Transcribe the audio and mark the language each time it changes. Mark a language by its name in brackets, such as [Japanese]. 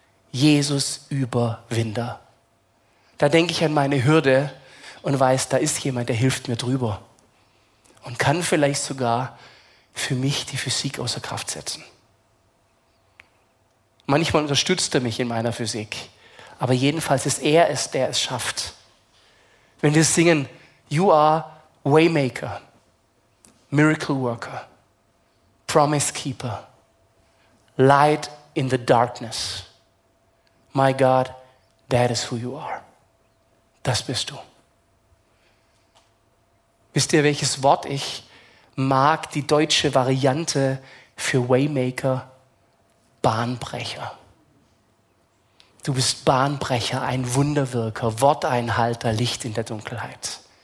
[German] Jesus Überwinder. Da denke ich an meine Hürde und weiß, da ist jemand, der hilft mir drüber und kann vielleicht sogar für mich die Physik außer Kraft setzen. Manchmal unterstützt er mich in meiner Physik, aber jedenfalls ist er es, der es schafft. Wenn wir singen, [English] you are Waymaker, Miracle Worker, Promise Keeper, Light in the Darkness, my God, that is who you are. [German] das bist du. Wisst ihr, welches Wort ich mag, die deutsche Variante für Waymaker? Bahnbrecher. Du bist Bahnbrecher, ein Wunderwirker, Worteinhalter, Licht in der Dunkelheit.